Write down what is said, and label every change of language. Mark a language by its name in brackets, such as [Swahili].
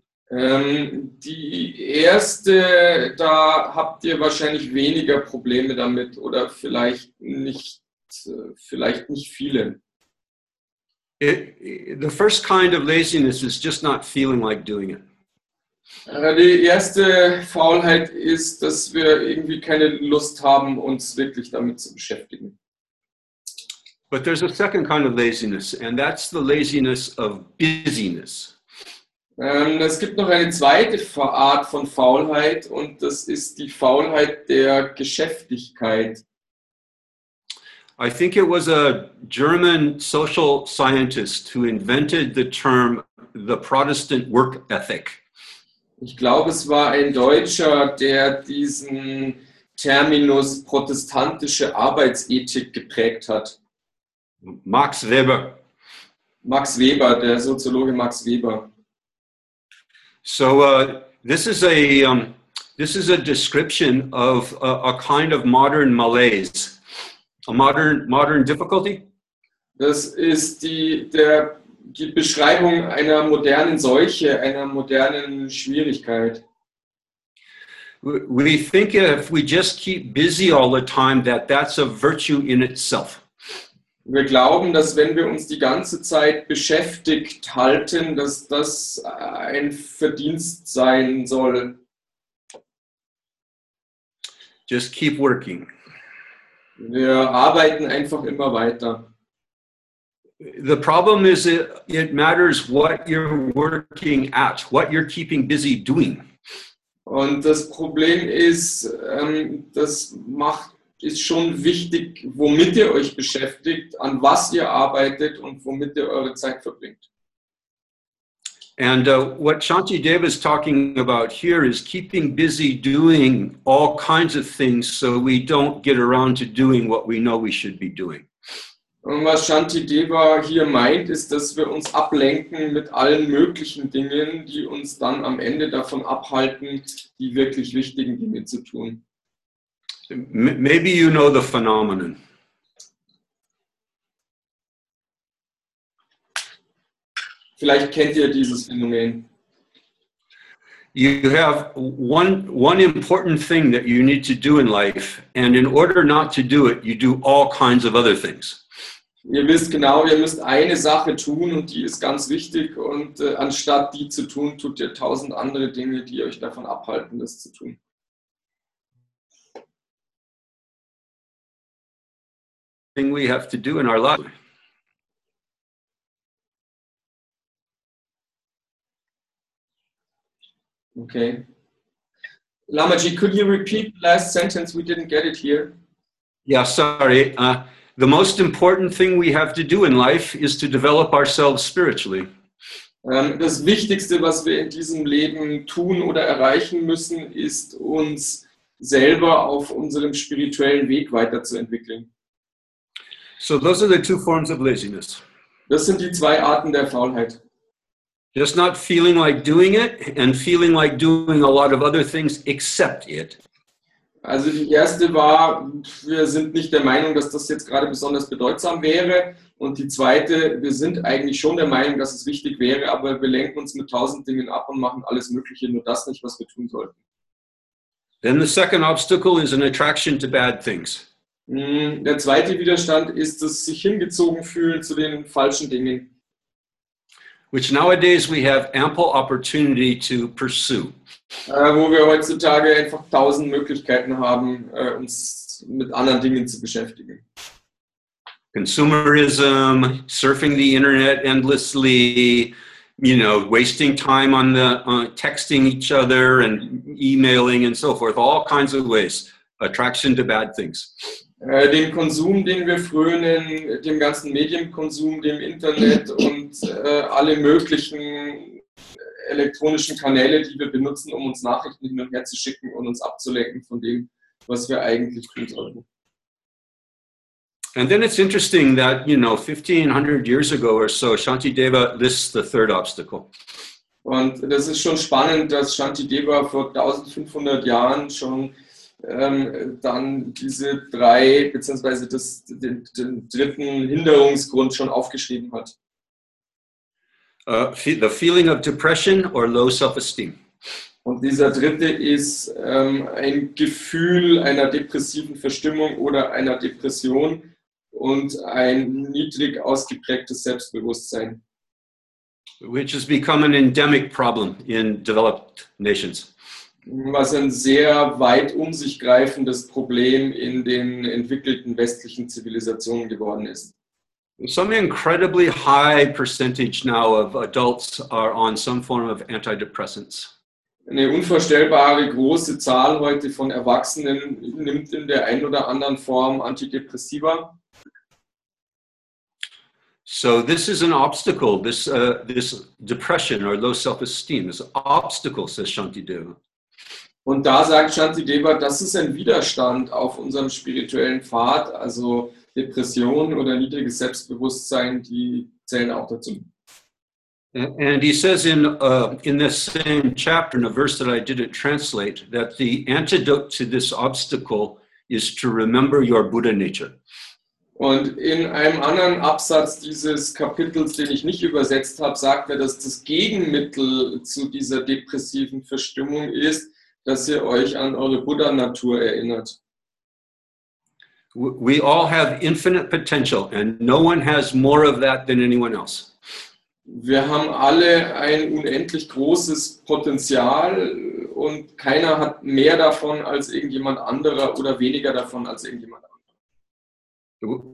[German] Die erste, da habt ihr wahrscheinlich weniger Probleme damit oder vielleicht nicht viele. [English] The first kind of laziness is just not feeling like doing it. [German] Die erste Faulheit ist, dass wir irgendwie keine Lust haben, uns wirklich damit zu beschäftigen. [English] But there's a second kind of laziness, and that's the laziness of busyness. [German] Es gibt noch eine zweite Art von Faulheit, und das ist die Faulheit der Geschäftigkeit. [English] I think it was a German social scientist who invented the term the Protestant work ethic. [German] Ich glaube, es war ein Deutscher, der diesen Terminus protestantische Arbeitsethik geprägt hat. [English] Max Weber. [German] Max Weber, der Soziologe Max Weber. [English] So this is a description of a kind of modern malaise. A modern difficulty. [German] Das ist die Beschreibung einer modernen Seuche, einer modernen Schwierigkeit. [English] We think if we just keep busy all the time that that's a virtue in itself. [German] Wir glauben, dass wenn wir uns die ganze Zeit beschäftigt halten, dass das ein Verdienst sein soll. [English] Just keep working. [German] Wir arbeiten einfach immer weiter. [English] The problem is it matters what you're working at, what you're keeping busy doing. [German] Und das Problem ist, ist schon wichtig, womit ihr euch beschäftigt, an was ihr arbeitet und womit ihr eure Zeit verbringt. [English] And what Shanti Dev is talking about here is keeping busy doing all kinds of things so we don't get around to doing what we know we should be doing. [German] Und was Shanti Deva hier meint, ist, dass wir uns ablenken mit allen möglichen Dingen, die uns dann am Ende davon abhalten, die wirklich wichtigen Dinge zu tun. [English] Maybe you know the phenomenon. [German] Vielleicht kennt ihr dieses Phänomen. [English] You have one important thing that you need to do in life, and in order not to do it, you do all kinds of other things. [German] Ihr wisst genau, ihr müsst eine Sache tun und die ist ganz wichtig und anstatt die zu tun, tut ihr tausend andere Dinge, die euch davon abhalten, das zu tun. [English] Thing we have to do in our life. Okay. Lamaji, could you repeat the last sentence? We didn't get it here. Yeah, sorry. The most important thing we have to do in life is to develop ourselves spiritually. [German] Das Wichtigste, was wir in diesem Leben tun oder erreichen müssen, ist uns selber auf unserem spirituellen Weg weiterzuentwickeln. [English] So those are the two forms of laziness. [German] Das sind die zwei Arten der Faulheit. [English] Just not feeling like doing it and feeling like doing a lot of other things except it. [German] Also die erste war, wir sind nicht der Meinung, dass das jetzt gerade besonders bedeutsam wäre. Und die zweite, wir sind eigentlich schon der Meinung, dass es wichtig wäre, aber wir lenken uns mit tausend Dingen ab und machen alles Mögliche, nur das nicht, was wir tun sollten. [English] Then the second obstacle is an attraction to bad things. [German] Der zweite Widerstand ist das sich hingezogen fühlen zu den falschen Dingen. [English] Which nowadays we have ample opportunity to pursue. [German] Wo wir heutzutage einfach tausend Möglichkeiten haben, uns mit anderen Dingen zu beschäftigen. [English] Consumerism, surfing the internet endlessly, you know, wasting time on the texting each other and emailing and so forth, all kinds of ways, attraction to bad things. [German] Den Konsum, den wir frönen, dem ganzen Medienkonsum, dem Internet und alle möglichen elektronischen Kanäle, die wir benutzen, um uns Nachrichten hin und her zu schicken und uns abzulenken von dem, was wir eigentlich tun sollten. [English] And then it's interesting that, you know, 1500 years ago or so, Shanti Deva lists the third obstacle. [German] Und das ist schon spannend, dass Shanti Deva vor 1500 Jahren schon dann diese drei beziehungsweise den dritten Hinderungsgrund schon aufgeschrieben hat. [English] The feeling of depression or low self-esteem. [German] Und dieser dritte ist ein Gefühl einer depressiven Verstimmung oder einer Depression und ein niedrig ausgeprägtes Selbstbewusstsein. [English] Which has become an endemic problem in developed nations. [German] Was ein sehr weit um sich greifendes Problem in den entwickelten westlichen Zivilisationen geworden ist. [English] Some incredibly high percentage now of adults are on some form of antidepressants. [German] Eine unvorstellbare große Zahl heute von Erwachsenen nimmt in der einen oder anderen Form Antidepressiva. [English] So this is an obstacle, this depression or low self-esteem is an obstacle, says Shantideva. [German] Und da sagt Shantideva, das ist ein Widerstand auf unserem spirituellen Pfad, also Depression oder niedriges Selbstbewusstsein, die zählen auch dazu. [English] And he says in this same chapter, in a verse that I didn't translate, that the antidote to this obstacle is to remember your Buddha nature. [German] Und in einem anderen Absatz dieses Kapitels, den ich nicht übersetzt habe, sagt er, dass das Gegenmittel zu dieser depressiven Verstimmung ist, dass ihr euch an eure Buddha-Natur erinnert. [English] We all have infinite potential and no one has more of that than anyone else. [German] Wir haben alle ein unendlich großes Potenzial und keiner hat mehr davon als irgendjemand anderer oder weniger davon als irgendjemand anderer.